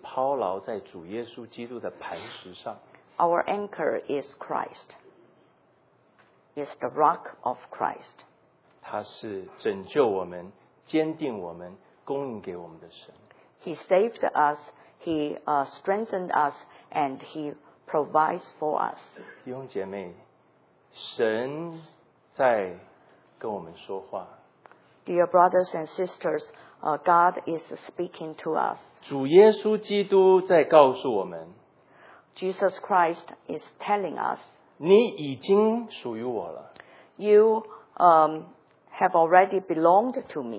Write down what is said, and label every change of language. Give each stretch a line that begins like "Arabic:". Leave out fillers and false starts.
Chinese: 我们的锚是抛锚在主耶稣基督的磐石上。
English: Our anchor is Christ. It's the rock of Christ.
Chinese: 他是拯救我们、坚定我们、供应给我们的神。
English: He saved us, he strengthened us, and he provides for us.
Chinese: 弟兄姐妹，神在跟我们说话。
English: Dear brothers and sisters, God is speaking to us.
Chinese: 主耶稣基督在告诉我们，
English: Jesus Christ is telling us,
Chinese: 你已经属于我了。
English: You have already belonged to me.